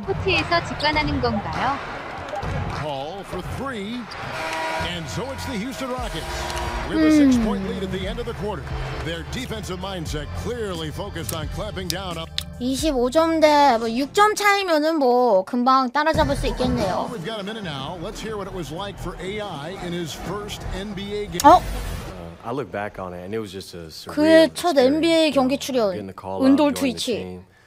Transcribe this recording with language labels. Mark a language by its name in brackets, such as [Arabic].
[Korean] 이 게임은 코트에서 직관하는 건가요? [English] Call for 3. And so it's the Houston Rockets. With a 6-point lead at the end of the quarter. Their defensive mindset clearly focused on clamping down on... [Korean] 25점 대 뭐 6점 차이면은 뭐 금방 따라잡을 수 있겠네요. [English] We've got a minute now. Let's hear what it was like for AI in his first NBA game. 어? I look back on it and it was just a surreal. [Korean] 그의 첫 NBA 경기 출연. 은돌 트위치.